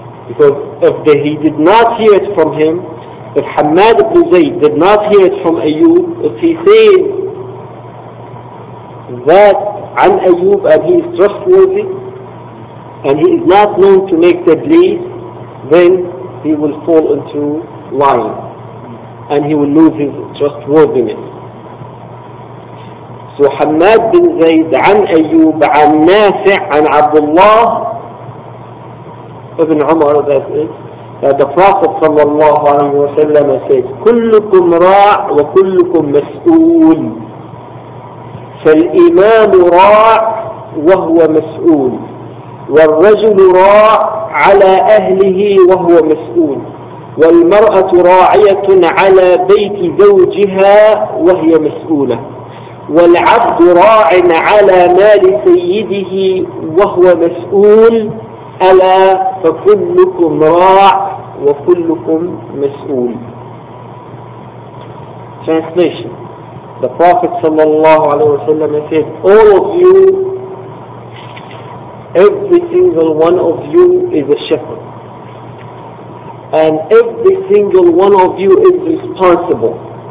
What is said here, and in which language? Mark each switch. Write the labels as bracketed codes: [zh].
[en] Because if he did not hear it from him, if Hamad ibn Zayd did not hear it from Ayyub, if he says that an Ayyub and he is trustworthy, and he is not known to make the bleed, then he will fall into lying and he will lose his trustworthiness. So Hamad bin Zayd an Ayyub an Nafi' an Abdullah ibn Umar, that is, that the Prophet sallallahu alayhi wa sallam said, [ar] كلكم راع وكلكم مسؤول فالإمام راع وهو مسؤول والرجل راع على أهله وهو مسؤول والمرأة راعية على بيت زوجها وهي مسؤولة والعبد راع على مال سيده وهو مسؤول ألا فكلكم راع وكلكم مسؤول. [en] Translation: the Prophet sallallahu alaihi wasallam said, all of you, every single one of you is a shepherd, and every single one of you is responsible.